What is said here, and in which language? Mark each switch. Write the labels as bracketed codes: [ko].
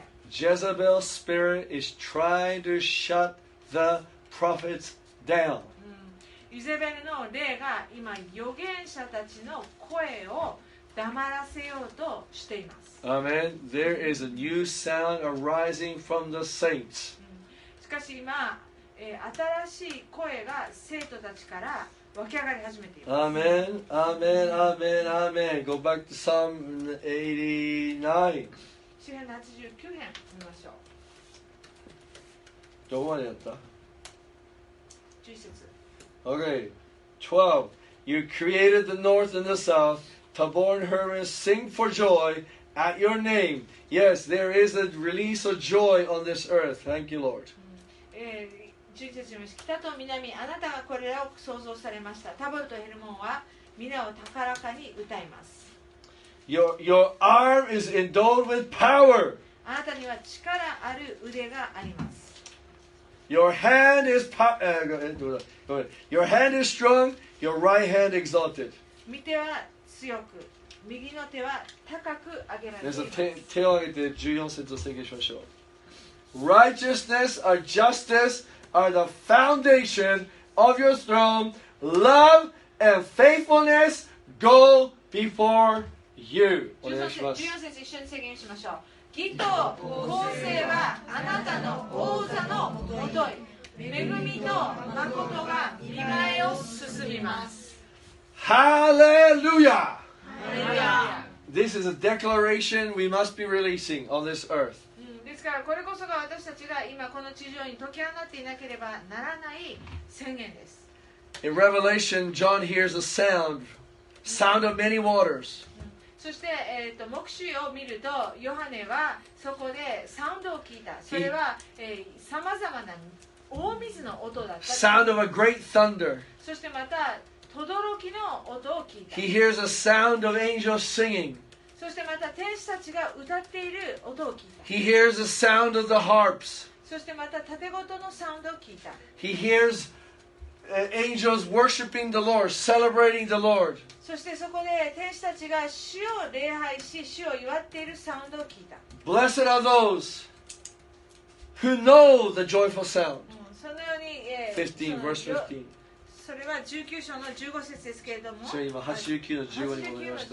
[en] Jezebel's spirit is trying to shut the prophets down. [ja] イゼベルの霊が今預言者たちの声を黙らせようとしています。 [en] Amen. There is a new sound arising from the saints. [ja] しかし今、新しい声が聖徒たちから湧き上がり始めています。 [en] Amen. Amen. Amen. Amen. Go back to Psalm 89. [ja] 詩編89編見ましょう。どこまでやった？11節。 [en] Okay, 12. You created the north and the south. Tabor and Hermon sing for joy at your name. Yes, there is a release of joy on this earth. Thank you, Lord. [ja] 11節です。北と南、あなたがこれらを創造されました。タボルとヘルモンは皆を高らかに歌います。 [en] Your arm is endowed with power. [ja] あなたには力ある腕があります。 [en] Your hand is strong, your right hand exalted. [ja] 右手は強く、右の手は高く上げられています。手を上げて14節を宣言しましょう。 [en] Righteousness or justice are the foundation of your throne. Love and faithfulness go before you. [ja] お願いします。14節、一緒に宣言しましょう。義と公正はあなたの王座のもとへ、恵みと誠が見栄えを進みます。ハレルヤ。 [en] This is a declaration we must be releasing on this earth. [ja] ですからこれこそが私たちが今この地上に解き放っていなければならない宣言です。 [en] In Revelation, John hears a sound of many waters. [ja] そして、目視を見るとヨハネはそこでサウンドを聞いた。それは、さまざまな大水の音だった。 [en] Sound of a great thunder. [ja] そしてまた轟きの音を聞いた。 [en] He hears a sound of angels singing. [ja] そしてまた天使たちが歌っている音を聞いた。 [en] He hears a sound of the harps. [ja] そしてまた縦琴のサウンドを聞いた。 [en] He hearsangels worshiping the Lord, celebrating the Lord. [ja] そしてそこで天使たちが主を礼拝し主を祝っているサウンドを聞いた。 [en] Blessed are those who know the joyful sound. [ja] そのように、 [en] verse 15. [ja] それは19章の15節ですけれども、それ今89の15に戻りました。